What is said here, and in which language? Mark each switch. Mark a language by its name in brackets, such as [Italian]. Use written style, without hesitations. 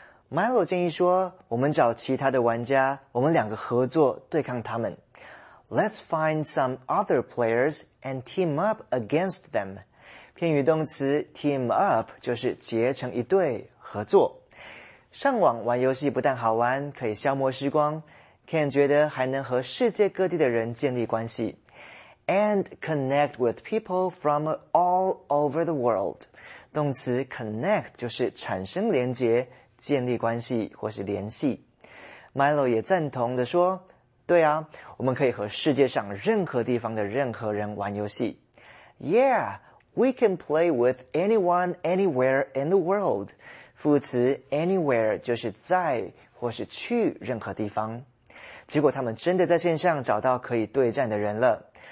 [Chinese] Milo 建议说我们找其他的玩家我们两个合作对抗他们。 [English] Let's find some other players and team up against them. [Chinese] 片语动词 team up 就是结成一对合作。上网玩游戏不但好玩，可以消磨时光。Ken 觉得还能和世界各地的人建立关系。 [English] And connect with people from all over the world. [Chinese] 动词 connect 就是产生连结、建立关系或是联系。 Milo 也赞同地说，对啊，我们可以和世界上任何地方的任何人玩游戏。 [English] Yeah, we can play with anyone anywhere in the world. [Chinese] 副词 anywhere 就是在或是去任何地方。结果他们真的在线上找到可以对战的人了。